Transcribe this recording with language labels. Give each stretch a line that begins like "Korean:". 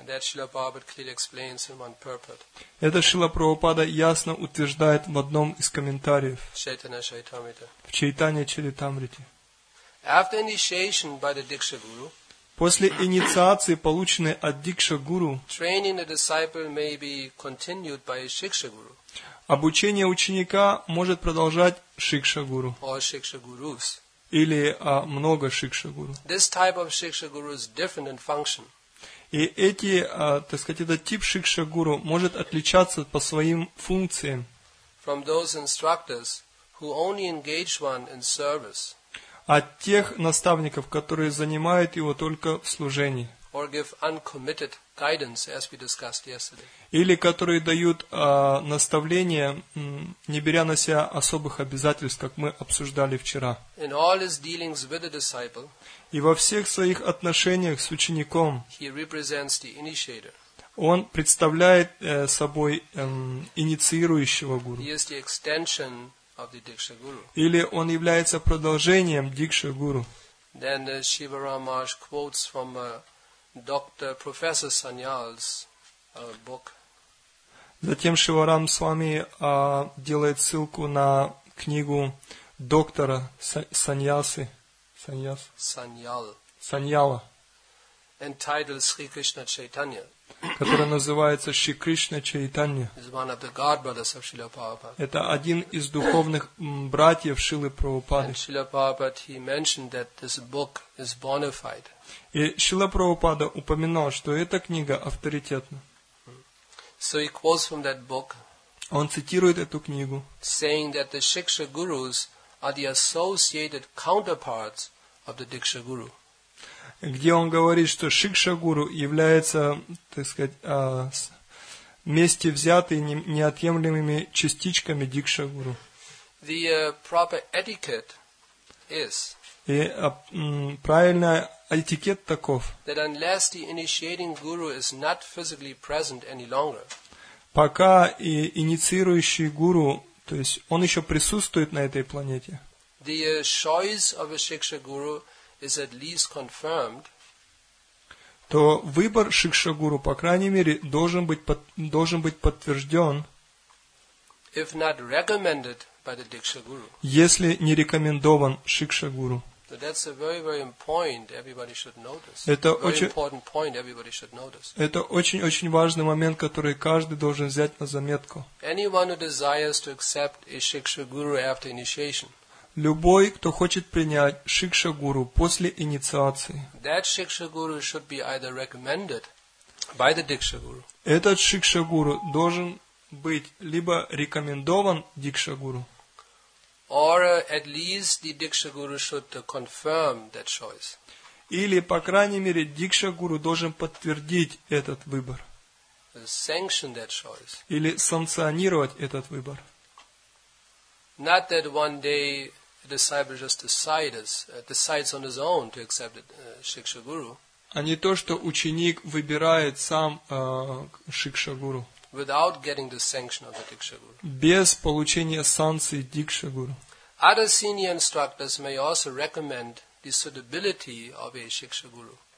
Russian: Это Шрила Прабхупада ясно утверждает в одном из комментариев. В Чайтанья Чаритамрите.
English: After initiation by the Diksha Guru,
Russian: после инициации, полученной от Дикша Гуру,
English: training the disciple may be continued by Shiksha Guru.
Russian: Обучение ученика может продолжать Шикша Гуру.
English: Or Shiksha Gurus.
Russian: Или много Шикша Гуру.
English: This type of Shiksha Guru is different in function.
Russian: И эти, так сказать, этот тип Шикша Гуру может отличаться по своим функциям.
English: From those instructors who only engage one in service.
Russian: От тех наставников, которые занимают его только в служении.
English: Or give uncommitted guidance, as we discussed yesterday.
Russian: Или которые дают наставления, не беря на себя особых обязательств, как мы обсуждали вчера.
English: In all his dealings with the disciple,
Russian: и во всех своих отношениях с учеником,
English: he represents the initiator.
Russian: Он представляет собой инициирующего гуру.
English: He is the extension of the Diksha Guru.
Russian: Или он является продолжением Дикша Гуру.
English: Then Shiva Ramaj quotes from Dr. Professor Sanyal's book.
Russian: Затем Шиварам Свами делает ссылку на книгу доктора Саньясы. Саньяс. Саньял. Саньяла.
English: Entitled Sri Krishna Chaitanya.
Russian: Которая называется Шри Кришна Чайтанья.
English: Is one of the God brothers of Srila Prabhupada.
Russian: Это один из духовных братьев Шрилы Прабхупады.
English: And Srila Prabhupada, he mentioned that this book is bona fide.
Russian: И Шрила Прабхупада упоминал, что эта книга авторитетна.
English: So he quotes from that book.
Russian: Он цитирует эту книгу.
English: Saying that the Shiksha Gurus are the associated counterparts of the Diksha Guru.
Russian: Где он говорит, что Шикша Гуру является, так сказать, вместе взятыми неотъемлемыми частичками Дикша Гуру.
English: The proper etiquette is.
Russian: И правильный этикет таков.
English: That unless the initiating guru is not physically present any longer.
Russian: Пока и инициирующий гуру, то есть он еще присутствует на этой планете.
English: The choice of a Shiksha Guru is at least confirmed.
Russian: То выбор Шикша Гуру, по крайней мере, должен быть подтвержден.
English: If not recommended by the Diksha Guru.
Russian: Если не рекомендован Шикша Гуру.
English: So that's a very, very important everybody should notice.
Russian: Это
English: very
Russian: очень
English: important point everybody should notice.
Russian: Это очень-очень важный момент, который каждый должен взять на заметку.
English: Anyone who desires to accept a Shiksha Guru after initiation.
Russian: Любой, кто хочет принять Шикша Гуру после инициации.
English: That Shiksha Guru should be either recommended by the Diksha Guru.
Russian: Этот Шикша Гуру должен быть либо рекомендован Дикша Гуру.
English: Or at least the Diksha Guru should confirm that choice.
Russian: Или, по крайней мере, Дикша Гуру должен подтвердить этот выбор.
English: Sanction that choice.
Russian: Или санкционировать этот выбор.
English: Not that one day a disciple just decides on his own to accept Shiksha Guru.
Russian: А не то, что ученик выбирает сам Шикша Гуру.
English: Without getting the sanction of the Diksha Guru.
Russian: Без получения санкции Дикша Гуру.
English: Other senior instructors may also recommend the suitability of a Shiksha Guru.